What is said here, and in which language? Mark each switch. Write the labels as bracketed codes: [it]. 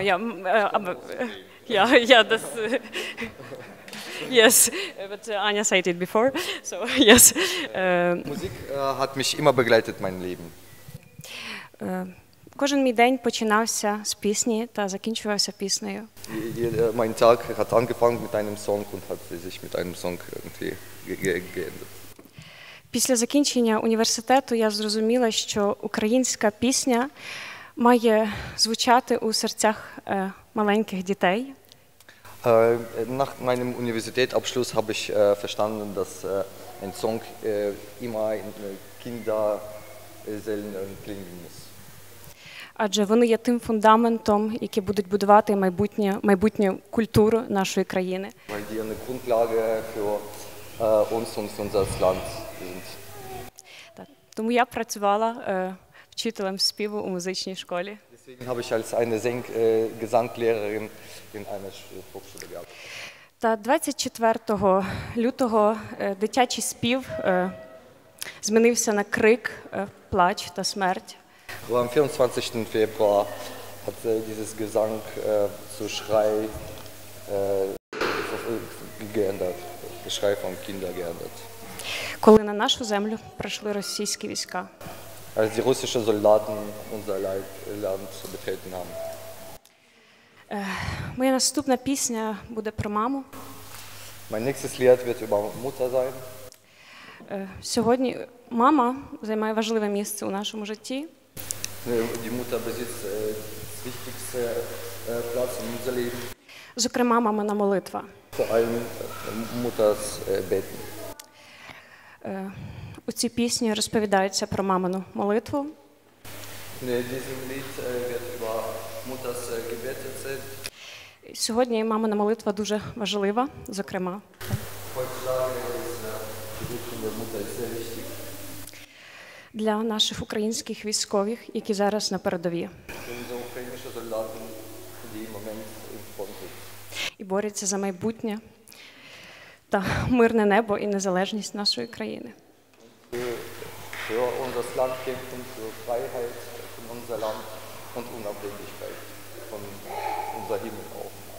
[en] Yes, but Anya said it before. So, yes. [de] Musik hat mich immer begleitet mein Leben. [uk] Кожен мій день починався з пісні та закінчувався піснею. [de] Mein Tag hat angefangen mit einem Song und hat sich mit einem Song irgendwie geendet. [uk] Після закінчення університету я зрозуміла, що українська пісня має звучати у серцях маленьких дітей. [de] Nach meinem Universitätsabschluss habe ich verstanden, dass ein Song immer in Kinderseelen klingen muss. [uk] Адже вони є тим фундаментом, який будуть будувати майбутню культуру нашої країни. [de] Weil die eine Grundlage für uns und unser Land sind. [uk] Тому я працювала вчителем співу у музичній школі. [de] Deswegen habe ich als eine Gesanglehrerin in einer Hochschule gearbeitet. [uk] Та 24 лютого дитячий спів змінився на крик, плач та смерть. [de] Am 24. Februar hat dieses Gesang zu Schrei geändert, Geschrei von Kindern geändert. [uk] Коли на нашу землю прийшли російські війська. [de] Als die russischen Soldaten unser Land betreten haben. [uk] Моя наступна пісня буде про маму. [de] Mein nächstes Lied wird über Mutter sein. [uk] Сьогодні мама займає важливе місце у нашому житті. [de] Die Mutter besitzt das wichtigste Platz in unserem Leben. [uk] Зокрема, мамина молитва. [de] Vor allem Mutters Beten. [uk] У цій пісні розповідається про мамину молитву. Сьогодні мамина молитва дуже важлива, зокрема. Для наших українських військових, які зараз на передові. І борються за майбутнє та мирне небо і незалежність нашої країни. [de] Für unser Land kämpfen, für Freiheit in unser Land und Unabhängigkeit von unser Himmel auch.